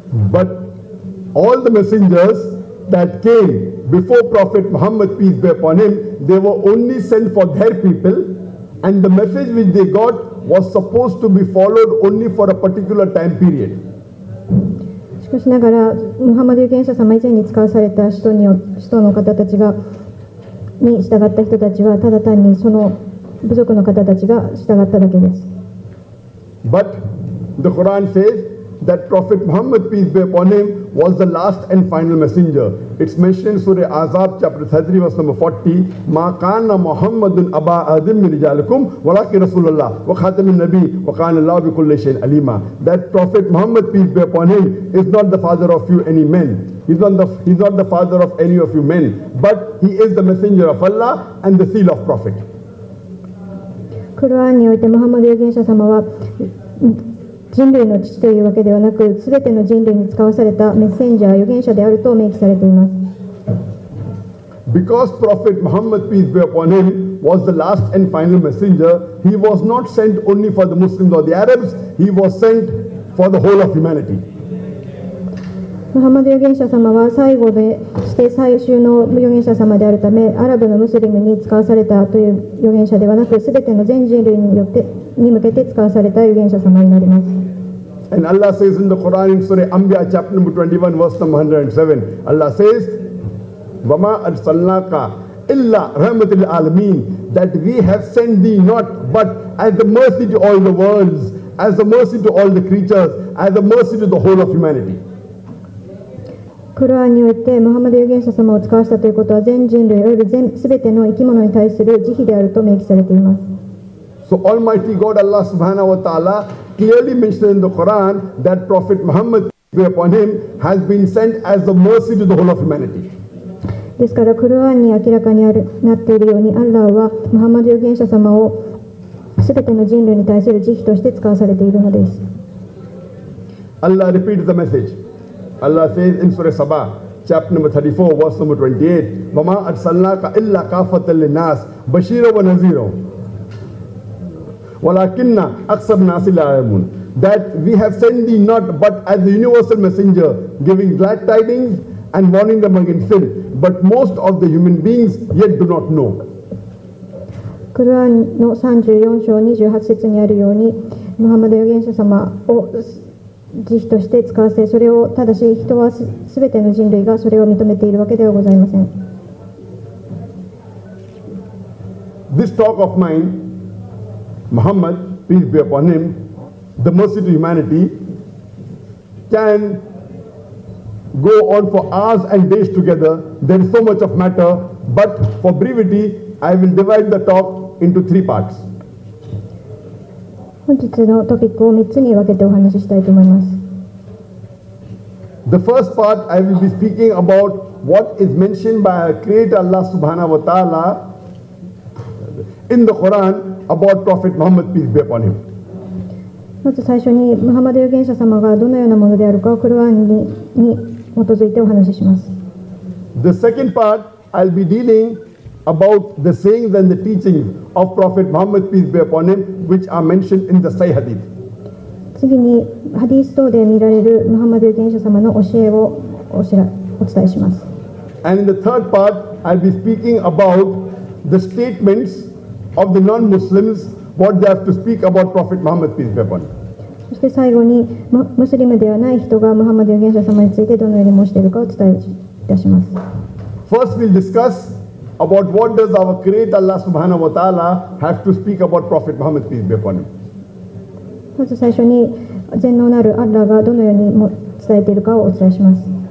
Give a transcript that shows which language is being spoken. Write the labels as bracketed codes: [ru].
[en] But all the messengers that came before Prophet Muhammad, peace be upon him, they were only sent for their people. And the message which they got was supposed to be followed only for a particular time period. [ja] しかしながらムハマド預言者様以前に使わされた使徒の方たちがに従った人たちはただ単にその部族の方たちが従っただけです。 [en] But the Quran says that Prophet Muhammad peace be upon him was the last and final messenger. It's mentioned Surah Azab chapter 33 verse number 40 [ar] مَا قَانَ مُحَمَّدٌ أَبَا أَذِمْ مِنْ رِجَالِكُمْ وَلَاكِ رَسُولَ اللَّهِ وَخَاتَمِ النَّبِي وَقَانَ اللَّهُ بِكُلِّ شَيْءٍ عَلِيمًا. [en] That Prophet Muhammad peace be upon him is not the father of you any men. He's not the father of any of you men, but he is the messenger of Allah and the seal of Prophet. [ja] クルアンにおいてムハマド預言者様は人類の父というわけではなく、すべての人類に使わされたメッセンジャー預言者であると明記されています。 [en] Because Prophet Muhammad peace be upon him was the last and final messenger, he was not sent only for the Muslims or the Arabs. He was sent for the whole of humanity. [ja] ムハマド預言者様は最後でして最終の預言者様であるため、アラブのムスリムに使わされたという預言者ではなく、すべての全人類によって。に向けて使わされた預言者様になります。 [en] And Allah says in the Quran in Surah Anbiya chapter number 21 verse number 107 Allah says [ar] وَمَا أَرْسَلْنَاكَ إِلَّا رَحْمَةِ الْعَالَمِينَ [en] That we have sent thee not but as a mercy to all the worlds, as a mercy to all the creatures, as a mercy to the whole of humanity. [ja] コロアンにおいてムハマド預言者様を使わせたということは全人類および全ての生き物に対する慈悲であると明記されています。 [en] So Almighty God Allah subhanahu wa ta'ala clearly mentioned in the Quran that Prophet Muhammad peace be upon him has been sent as a mercy to the whole of humanity. [ja] ですからクルアンに明らかになっているようにアッラーはムハマド預言者様を全ての人類に対する慈悲として使わされているのです。 [en] Allah repeats the message. Allah says in Surah Sabah chapter number 34 verse number 28 [ar] وَمَا أَرْسَلْنَاكَ إِلَّا كَافَةً لِلنَّاسِ بَشِيرًا وَنَذِيرًا [en] That we have sent thee not but as a universal messenger, giving glad tidings and warning them against sin. But most of the human beings yet do not know. [ja] クルアンの34章28節にあるように、ムハマド預言者様を慈悲として使わせ、それをただし人は全ての人類がそれを認めているわけではございません。 [en] This talk of mine. Muhammad, peace be upon him, the mercy to humanity, can go on for hours and days together. There is so much of matter, but for brevity, I will divide the talk into three parts. [ja] 本日のトピックを3つに分けてお話ししたいと思います。 [en] The first part, I will be speaking about what is mentioned by our Creator Allah subhanahu wa ta'ala in the Quran. About Prophet Muhammad, peace be upon him. [ja] まず最初にムハマド預言者様がどのようなものであるかをクルアンに基づいてお話しします。 [en] The second part, I'll be dealing about the sayings and the teachings of Prophet Muhammad, peace be upon him, which are mentioned in the Sahih Hadith. [ja] 次にハディス等で見られるムハマド預言者様の教えをお伝えします。 [en] And in the third part, I'll be speaking about the statements. Of the non-Muslims, what they have to speak about Prophet Muhammad peace be upon him. [ja] そして最後に、ムスリムではない人がムハマド預言者様についてどのように申しているかを伝えいたします。 [en] First, we'll discuss about what does our Creator Allah Subhanahu Wa Taala have to speak about Prophet Muhammad peace be upon him. [ja] まず最初に、全能なるアッラーがどのように伝えているかをお伝えします。